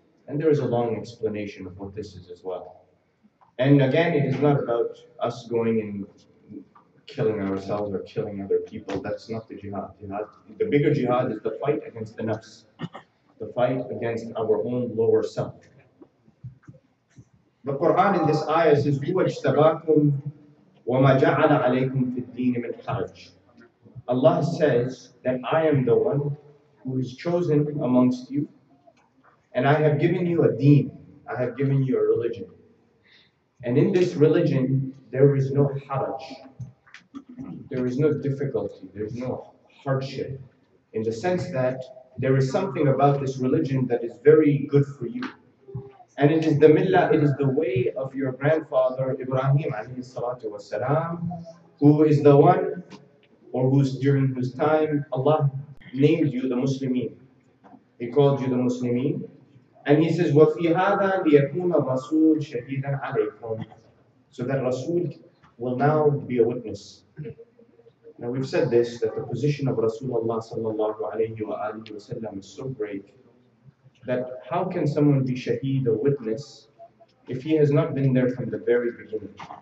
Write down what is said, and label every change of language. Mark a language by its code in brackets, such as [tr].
[en] And there is a long explanation of what this is as well. And again, it is not about us going and killing ourselves or killing other people. That's not the jihad. The bigger jihad is the fight against the nafs, the fight against our own lower self. [ar] The Quran in this ayah says, وَاجْتَبَاكُمْ وَمَا جَعَلَ عَلَيْكُمْ فِي الدِّينِ مِنْ حَرَجٍ. [en] Allah says that I am the one who is chosen amongst you, and I have given you a deen, I have given you a religion. And in this religion, there is no haraj. There is no difficulty, there is no hardship, in the sense that there is something about this religion that is very good for you. And it is the millah, it is the way of your grandfather Ibrahim alayhi salatu wasalam, who is the one, or who's during whose time Allah named you the Muslimin. He called you the Muslimin. [ar] And he says, وَفِي هَذَا لِيَكُونَ رَسُولٌ شَهِيدًا عَلَيْكُمْ. [en] So that Rasul will now be a witness. Now we've said this, that the position of Rasulullah sallallahu alayhi wa alayhi wa sallam is so great, that how can someone be shaheed, a witness, if he has not been there from the very beginning?